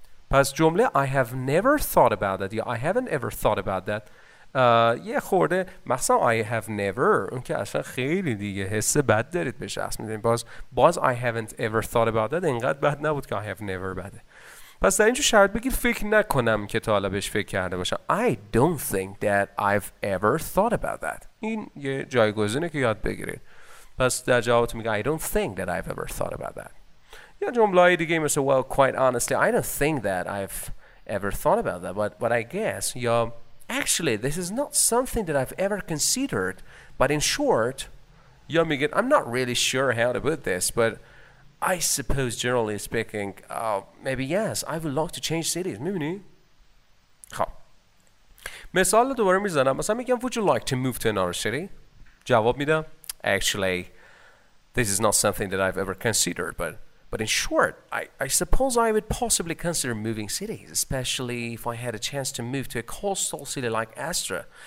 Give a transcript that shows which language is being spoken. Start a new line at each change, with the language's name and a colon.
Persian: پس جمله
English: I have never thought about that
Persian: یا
English: I haven't ever thought about that
Persian: یه خورده، مخصوصا
English: I have never،
Persian: اون که اصلا خیلی دیگه حس بد دارید به شخص میدونید. باز
English: I haven't ever thought about that
Persian: اینقدر بد نبود که
English: I have never
Persian: بده. پس در اینجور شرط بگید فکر نکنم که تا حالا بهش فکر کرده باشم.
English: I don't think that I've ever thought about that.
Persian: این یه جایگزینه که یاد بگیرید. پس در جوابت میگه
English: I don't think that I've ever thought about that.
Persian: یا جمله‌ای دیگه مثل
English: well quite honestly I don't think that I've ever thought about that but I guess
Persian: یا
English: actually this is not something that I've ever considered but in short
Persian: یا میگه
English: I'm not really sure how to put this but I suppose generally speaking maybe yes I would like to change cities.
Persian: میبینی؟ خب مثال دوباره میزنم. مثلا میگم
English: would you like to move to another city؟
Persian: جواب میدم
English: actually this is not something that I've ever considered but in short I suppose I would possibly consider moving cities especially if I had a chance to move to a coastal city like Astra.